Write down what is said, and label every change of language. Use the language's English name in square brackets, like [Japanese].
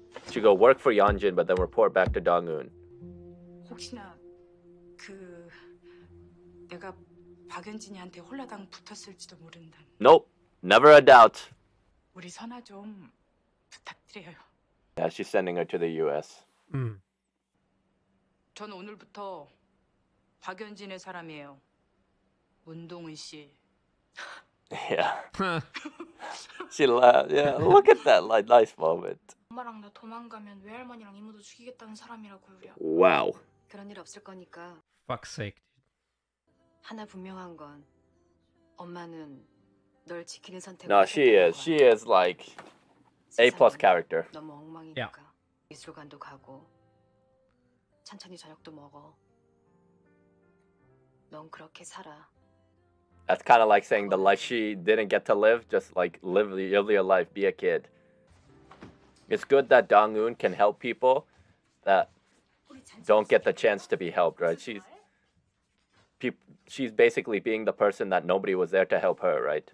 [English] She could work for Yeon-jin but then report back to Dong-eun. [Korean] 혹시나 그 내가 박연진이한테 홀라당 붙었을지도 모른다. [English] Nope. Never a doubt. [Korean] 우리 선아 좀 부탁드려요. [English] Yeah, she's sending her to the US. [Korean] 전 오늘부터 박연진의 사람이에요. 문동은 씨. [English] Yeah. She laughed. Yeah, look at that like nice moment. [Korean] 엄마랑 나 도망가면 외할머니랑 이모도 죽이겠다는 사람이라고 그래요. [English] Wow. [Korean] 그런 일 없을 거니까. [English] Fuck's sake. [Korean] 하나 분명한 건 엄마는 널 지키는 선택을 [English] No, she is. She is like A plus character. [Korean] 너무 엉망이니까. 미술관도 가고 천천히 저녁도 먹어. 넌 그렇게 살아. [English] That's kind of like saying the life she didn't get to live, just like live your life, be a kid. It's good that Dong-eun can help people that don't get the chance to be helped, right? She's basically being the person that nobody was there to help her, right?